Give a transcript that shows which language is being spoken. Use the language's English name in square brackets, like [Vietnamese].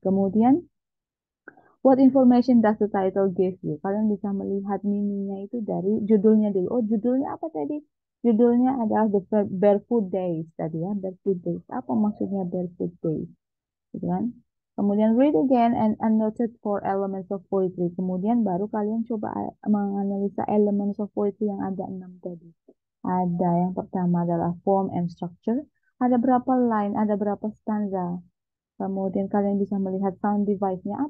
[English] Kemudian, what information does the title give you? [Indonesian] Kalian bisa melihat meaningnya itu dari judulnya dulu. Oh, judulnya apa tadi? Judulnya adalah The Barefoot Days tadi ya. Barefoot Days. Apa maksudnya Barefoot Days? Gitu kan? [English] Kemudian read again and annotate for elements of poetry. [Indonesian] Kemudian baru kalian coba menganalisa elements of poetry yang ada 6 tadi. Ada yang pertama adalah form and structure. Ada berapa line, ada berapa stanza. Kemudian kalian bisa melihat sound device-nya.